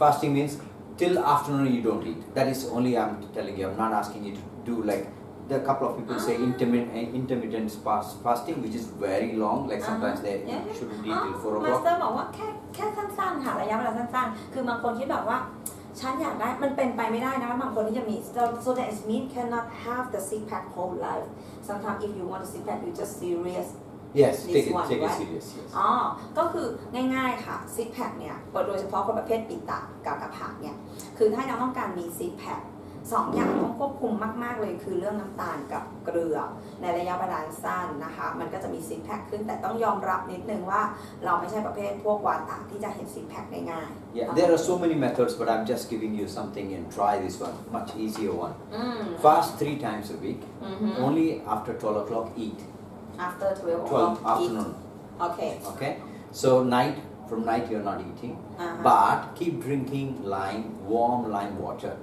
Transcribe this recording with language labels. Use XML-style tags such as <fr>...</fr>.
<en>fasting means till afternoon you don't eat that is only I'm telling you I'm not asking you to do like the couple of people say intermittent fasting which is very long like sometimes they shouldn't eat till 4 o'clock</en> <th>Master บอกว่าแค่สั้นๆค่ะระยะเวลาสั้นๆคือบางคนที่แบบว่าฉันอยากได้มันเป็นไปไม่ได้นะบางคนที่จะมี</th> <en>so that it means cannot have the six pack whole life sometimes if you want the six pack you just serious Yes, take it seriously.</en> <th>Yes. ก็คือง่ายๆค่ะซิกแพคเนี่ยโดยเฉพาะคนประเภทปิดตากับกระผักเนี่ยคือถ้าเราต้องการมีซิกแพคสองอย่างต้องควบคุมมากๆเลยคือเรื่องน้ำตาลกับเกลือในระยะเวลาสั้นนะคะมันก็จะมีซิกแพคขึ้นแต่ต้องยอมรับนิดนึงว่าเราไม่ใช่ประเภทพวกวาตะที่จะเห็นซิกแพคง่าย</th> <en>ๆ Yeah, there are so many methods, but I'm just giving you something and try this one, much easier one. Fast 3 times a week, only after 12 o'clock eat. After 12 afternoon. Okay. Okay. So night, from night you're not eating. Uh-huh. But keep drinking lime, warm lime water.</en>